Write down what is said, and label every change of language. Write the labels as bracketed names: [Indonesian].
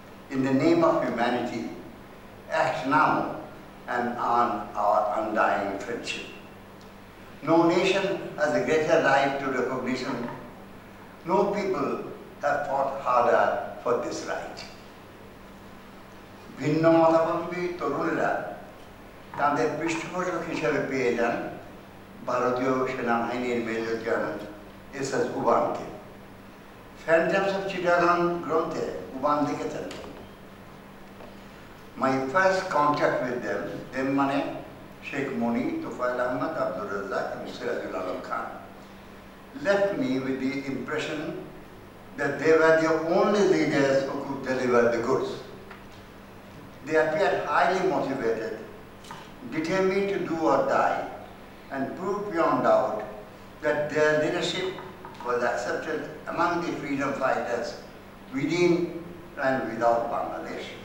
[English] In the name of humanity, act now and earn our undying friendship. No nation has a greater right to recognition. No people have fought harder for this right. [Bangla] ভিন্ন মতাবলম্বী তরুণেরা তাদের পৃষ্ঠপোষক হিসেবে পেয়ে যান ভারতীয় সেনাবাহিনীর major general S S উবানকে। Phantoms of Chittagong গ্রন্থে উবান লিখেছেন, [English] my first contact with them them [Bangla] মানে [English] শেখ মনি, তোফায়েল আহমদ, আব্দুর রাজ্জাক এবং Sirajul Alam Khan, left me with the impression that they were the only leaders who could deliver the goods. They appeared highly motivated, determined to do or die, and proved beyond doubt that their leadership was accepted among the freedom fighters within and without Bangladesh.